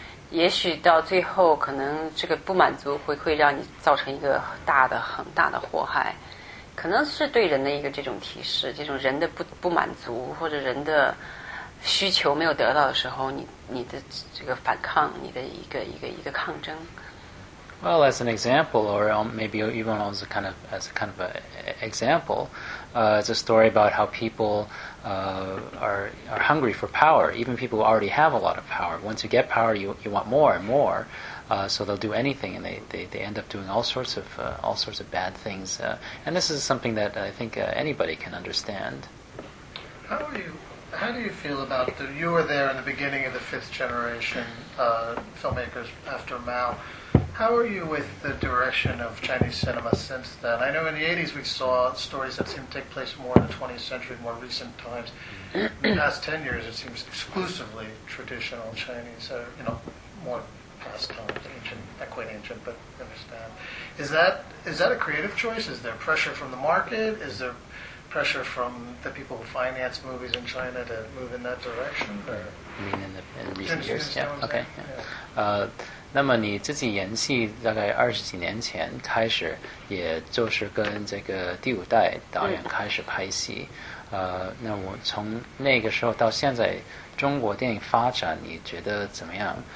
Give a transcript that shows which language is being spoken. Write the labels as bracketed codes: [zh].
[zh] 也许到最后，可能这个不满足会让你造成一个很大的祸害，可能是对人的一个这种提示，这种人的不满足或者人的需求没有得到的时候，你的这个反抗，你的一个抗争。 [en] Well, as an example, or maybe even as a kind of an example, it's a story about how people are hungry for power. Even people who already have a lot of power, once you get power, you want more and more. So they'll do anything, and they end up doing all sorts of bad things. And this is something that I think anybody can understand. How do you feel about that? You were there in the beginning of the fifth generation filmmakers after Mao. How are you with the direction of Chinese cinema since then? I know in the 80s we saw stories that seemed to take place more in the 20th century, more recent times. In the past 10 years it seems exclusively traditional Chinese, or, you know, more past times, ancient, not quite ancient, but understand. Is that a creative choice? Is there pressure from the market? Is there pressure from the people who finance movies in China to move in that direction? Or? You mean in recent years? Yeah, okay. Yeah. [zh] 那么你自己演戏大概二十几年前开始，也就是跟这个第五代导演开始拍戏，那我从那个时候到现在中国电影发展你觉得怎么样？